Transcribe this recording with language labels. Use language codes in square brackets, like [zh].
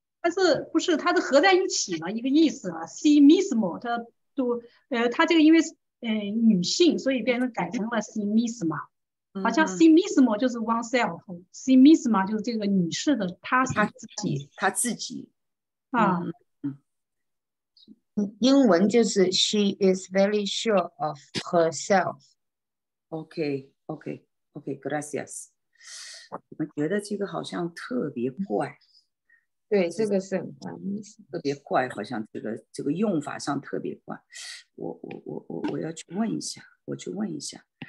[zh] 但是不是它是合在一起嘛？一个意思啊 ，sí mismo， 它都它这个因为女性，所以变成改成了 sí misma。好像 see mismo 就是 oneself， see mismo 就是这个女士的她是自己，她自己啊、英文就是 [en] she is very sure of herself。 [es] OK OK OK gracias。 [zh] 我们觉得这个好像特别怪，对，这个是特别怪，好像这个用法上特别怪。我要去问一下，我去问一下。